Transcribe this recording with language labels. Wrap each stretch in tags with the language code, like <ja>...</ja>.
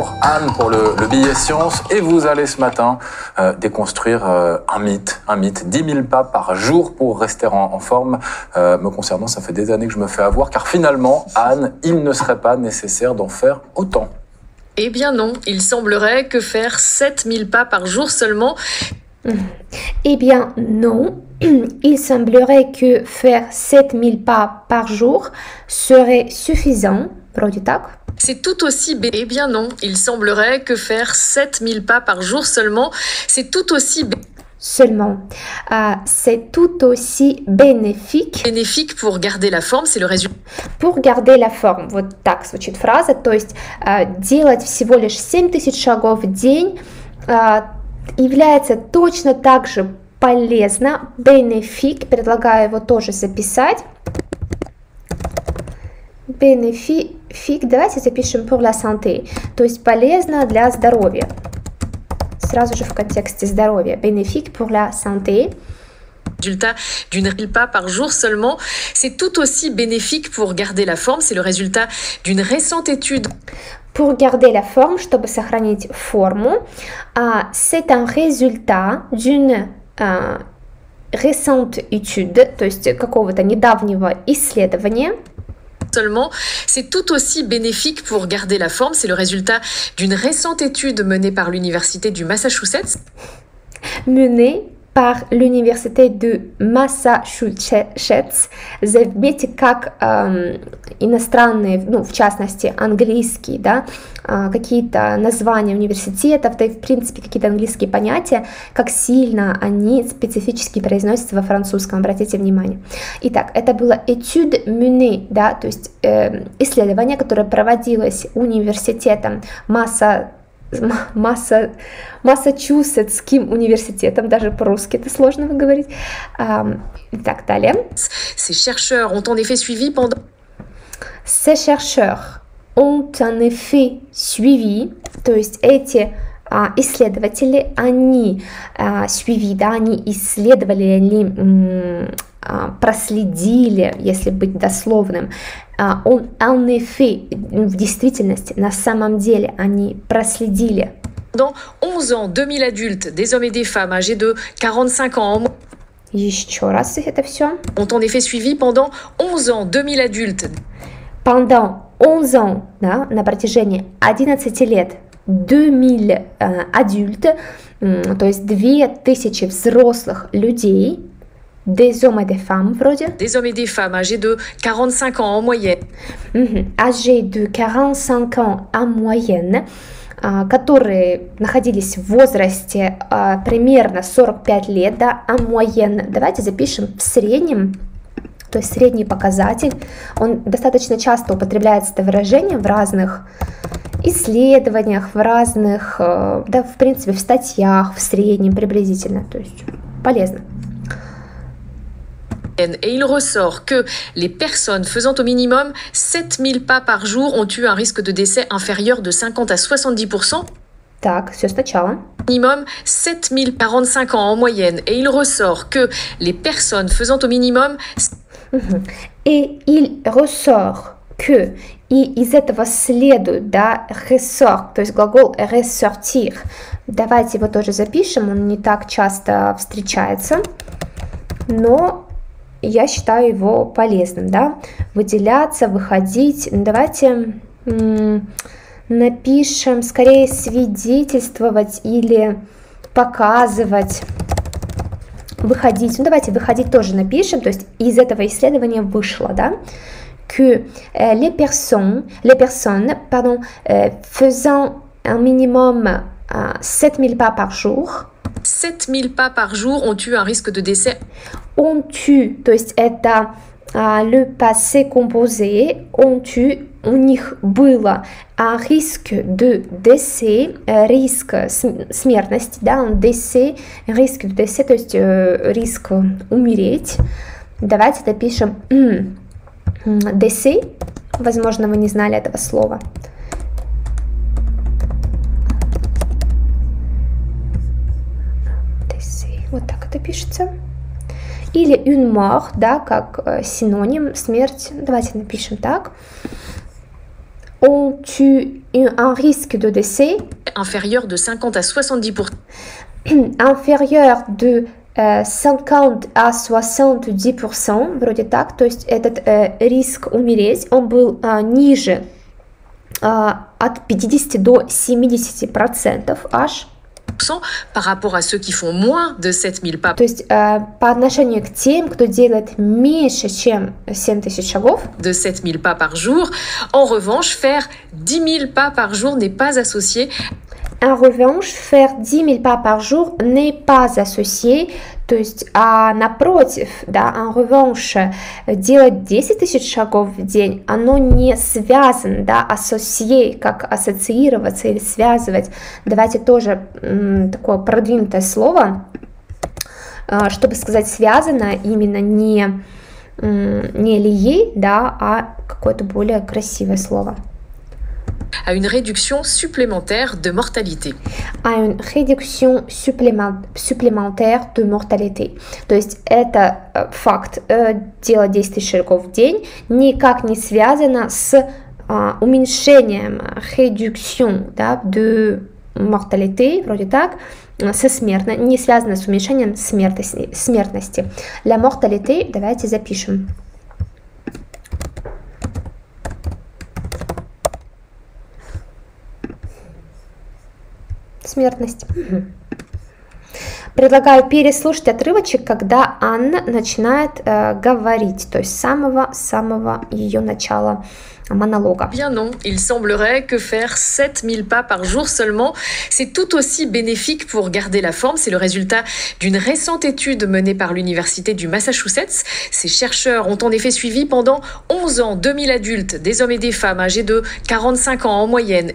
<fr>Pour Anne, pour le billet science, et vous allez ce matin déconstruire un mythe, 10 000 pas par jour pour rester en forme. Me concernant, ça fait des années que je me fais avoir, car finalement, Anne, il ne serait pas nécessaire d'en faire autant. Eh bien non, il semblerait que faire 7 000 pas par jour seulement. Eh bien non, il semblerait que faire 7 000 pas par jour serait suffisant, Brodytak. C'est tout aussi bête. Eh bien non, il semblerait que faire 7 000 pas par jour seulement, c'est tout aussi bête. Seulement, c'est tout aussi bénéfique. Bénéfique pour garder la forme, c'est le résultat. Pour garder la forme.</fr> <ru>Вот так звучит фраза. То есть делать всего лишь 7 000 шагов в день является точно так же полезно. Бенефик, предлагаю его тоже записать. Бенефик, давайте запишем</ru> <fr>pour la santé.</fr> <ru>То есть полезно для здоровья. Сразу же в контексте здоровья.</ru> <fr>Bénéfique pour la santé. Résultat d'une 1 000 pas par jour seulement, c'est tout aussi bénéfique pour garder la forme. C'est le résultat d'une récente étude. Pour garder la forme,</fr> <ru>чтобы сохранить форму,</ru> <fr>c'est un résultat d'une récente étude,</fr> <ru>то есть какого-то недавнего исследования.</ru> <fr>Seulement, c'est tout aussi bénéfique pour garder la forme. C'est le résultat d'une récente étude menée par l'université du Massachusetts. Menée par l'université de Massachusetts.</fr> <ru>Заметьте, как иностранные, ну, в частности, английские, да, какие-то названия университетов, да и, в принципе, какие-то английские понятия, как сильно они специфически произносятся во французском. Обратите внимание. Итак, это было</ru> <fr>étude menée,</fr> <ru>да, то есть исследование, которое проводилось университетом Массачусетским университетом, даже по-русски это сложно выговорить. И так далее.</ru> <fr>Ces chercheurs ont en effet suivi pendant. Ces chercheurs ont en effet suivi,</fr> <ru>то есть эти исследователи, они suivi, да, они исследовали, они проследили, если быть дословным. Он</ru> <fr>en effet,</fr> <ru>в действительности, на самом деле, они проследили.</ru> <fr>Dans 11 ans, 2000 adultes, des hommes et des femmes âgés de 45 ans.</fr> <ru>Еще раз это все.</ru> <fr>Ont en effet suivi pendant 11 ans, 2000 adultes. Pendant 11 ans,</fr> <ru>да, на протяжении 11 лет,</ru> <fr>2000 adultes,</fr> <ru>то есть 2000 взрослых людей.</ru> <fr>Des hommes et des femmes,</fr> <ru>вроде.</ru> <fr>Des hommes et des femmes âgés de 45 ans en moyenne. Âgés de 45 ans en moyenne,</fr> <ru>которые находились в возрасте примерно 45 лет, да,</ru> <fr>en moyenne.</fr> <ru>Давайте запишем в среднем, то есть средний показатель. Он достаточно часто употребляется, это выражение, в разных исследованиях, в разных, да, в принципе, в статьях, в среднем, приблизительно. То есть полезно.</ru> <fr>Et il ressort que les personnes faisant au minimum 7 000 pas par jour ont eu un risque de décès inférieur de 50 à 70%.</fr> <ru>Так, все сначала.</ru> <fr>Minimum 7 000 par 45 ans en moyenne. Et il ressort que les personnes faisant au minimum. Et il ressort que.</fr> <ru>И из этого следует, да, ressort, то есть глагол ressortir. Давайте его тоже запишем, он не так часто встречается. Но. Я считаю его полезным, да? Выделяться, выходить. Давайте напишем, скорее свидетельствовать или показывать. Выходить. Ну, давайте выходить тоже напишем. То есть из этого исследования вышло, да?</ru> <fr>Que les personnes, pardon, faisant un minimum 7000 pas par jour. 7000 pas par jour ont eu un risque de décès. On tue,</fr> <ru>то есть это</ru> <fr>le passé composé, on tue,</fr> <ru>у них было</ru> <fr>un risque de décès, risque</fr> <ru>смертности, да,</ru> <fr>un décès, risque de décès,</fr> <ru>то есть</ru> <fr>risque</fr> <ru>умереть. Давайте напишем décès. Возможно, вы не знали этого слова. Вот так это пишется. Или</ru> <fr>une mort,</fr> <ru>да, как синоним смерть. Давайте напишем так.</ru> <fr>On tue un risque de décès. Inférieur de 50 à 70%. Inférieur de 50 à 70%,</fr> <ru>вроде так, то есть этот риск умереть, он был ниже от 50 до 70% аж.</ru> <fr>Par rapport à ceux qui font moins de 7000 pas.</fr> <ru>То есть по отношению к тем, кто делает меньше, чем 7000 шагов.</ru> <fr>De 7000 pas par jour. En revanche, faire 10 000 pas par jour n'est pas associé. En revanche, faire 10 000 pas par jour n'est pas associé.</fr> <ru>То есть, а напротив, да,</ru> <fr>en revanche,</fr> <ru>делать 10 000 шагов в день, оно не связано, да, associé, как ассоциироваться или связывать. Давайте тоже такое продвинутое слово, чтобы сказать связано, именно не lié, да, а какое-то более красивое слово.</ru> <fr>À une réduction supplémentaire de mortalité. À une réduction supplémentaire de mortalité.</fr> <ru>То есть это факт, делать 10 тысяч шагов в день никак не связано с уменьшением, réduction, да,</ru> <fr>de mortalité,</fr> <ru>вроде так, со смертно, не связано с уменьшением смертности.</ru> <fr>La mortalité,</fr> <ru>давайте запишем. Смертность. Предлагаю переслушать отрывочек, когда Анна начинает говорить, то есть с самого ее начала монолога.</ru> <fr>Bien non, il semblerait que faire 7000 pas par jour seulement, c'est tout aussi bénéfique pour garder la forme. C'est le résultat d'une récente étude menée par l'université du Massachusetts. Ces chercheurs ont en effet suivi pendant 11 ans 2000 adultes, des hommes et des femmes âgés de 45 ans en moyenne.</fr>